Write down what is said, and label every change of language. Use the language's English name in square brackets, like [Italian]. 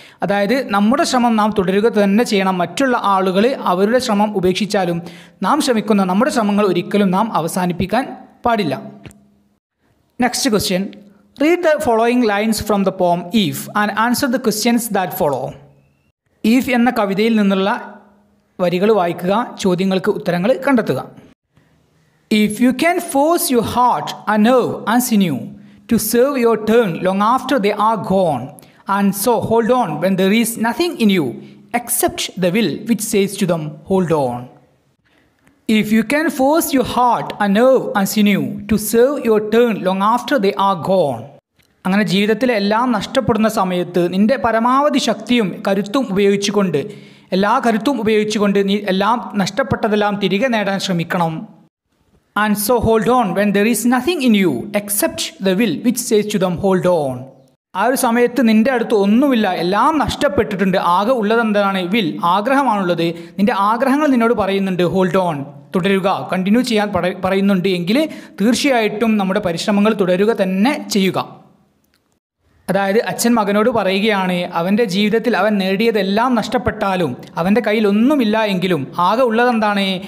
[Malayalam] അതായത് നമ്മുടെ ശ്രമം നാം തുടരുക തന്നെ ചെയ്യണം, മറ്റുള്ള ആളുകൾ അവരുടെ ശ്രമം ഉപേക്ഷിച്ചാലും നാം ശ്രമിക്കുന്ന നമ്മുടെ ശ്രമങ്ങൾ ഒരിക്കലും നാം അവസാനിപ്പിക്കാൻ പാടില്ല. [English] Next question, read the following lines from the poem If and answer the questions that follow. [Malayalam] If എന്ന കവിതയിൽ നിന്നുള്ള വരികൾ വായിക്കുക, ചോദ്യങ്ങൾക്ക് ഉത്തരങ്ങൾ കണ്ടെത്തുക. [English] If you can force your heart and nerve and sinew to serve your turn long after they are gone and so hold on when there is nothing in you except the will which says to them hold on. If you can force your heart and nerve and sinew to serve your turn long after they are gone. [Malayalam] അങ്ങനെ ജീവിതത്തിലെ എല്ലാം നഷ്ടപ്പെടുന്ന സമയത്ത് നിന്റെ പരമാവധി ശക്തിയും കരുത്തും ഉപയോഗിച്ചുകൊണ്ട് എല്ലാ കരുത്തും ഉപയോഗിച്ചുകൊണ്ട് നീ എല്ലാം നഷ്ടപ്പെട്ടതെല്ലാം തിരികെ നേടാൻ ശ്രമിക്കണം. [English] And so hold on when there is nothing in you except the will which says to them hold on. [Malayalam] ആ ഒരു സമയത്ത് നിൻ്റെ അടുത്ത് ഒന്നുമില്ല, എല്ലാം നഷ്ടപ്പെട്ടിട്ടുണ്ട്, ആകെ ഉള്ളതെന്താണ്? വിൽ, ആഗ്രഹമാണുള്ളത്. നിൻ്റെ ആഗ്രഹങ്ങൾ നിന്നോട് പറയുന്നുണ്ട് ഹോൾഡ് ഓൺ, തുടരുക, കണ്ടിന്യൂ ചെയ്യാൻ പറയുന്നുണ്ട് എങ്കിൽ തീർച്ചയായിട്ടും നമ്മുടെ പരിശ്രമങ്ങൾ തുടരുക തന്നെ ചെയ്യുക. അതായത് അച്ഛൻ മകനോട് പറയുകയാണ്, അവൻ്റെ ജീവിതത്തിൽ അവൻ നേടിയതെല്ലാം നഷ്ടപ്പെട്ടാലും അവൻ്റെ കയ്യിൽ ഒന്നുമില്ല എങ്കിലും ആകെ ഉള്ളതെന്താണ്?